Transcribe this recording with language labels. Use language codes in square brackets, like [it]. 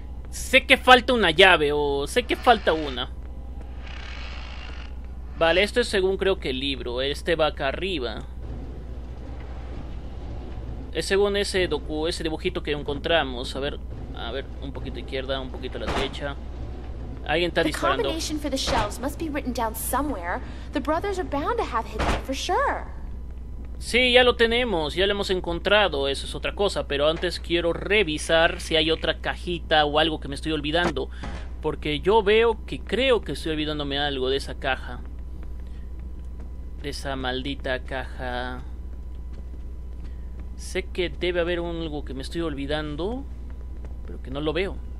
[es] Sé que falta una llave o sé que falta una. Vale, esto es según creo que el libro. Este va acá arriba. Es según ese dibujito que encontramos. A ver, un poquito a izquierda, un poquito a la derecha. Alguien está disparando. [en] The combination for the shelves must be written down somewhere. The brothers are bound to have hidden it for sure. [es] Sí, ya lo tenemos, ya lo hemos encontrado. Eso es otra cosa, pero antes quiero revisar si hay otra cajita o algo que me estoy olvidando, porque yo veo que creo que estoy olvidándome algo de esa caja. Esa maldita caja. Sé que debe haber algo que me estoy olvidando, pero que no lo veo.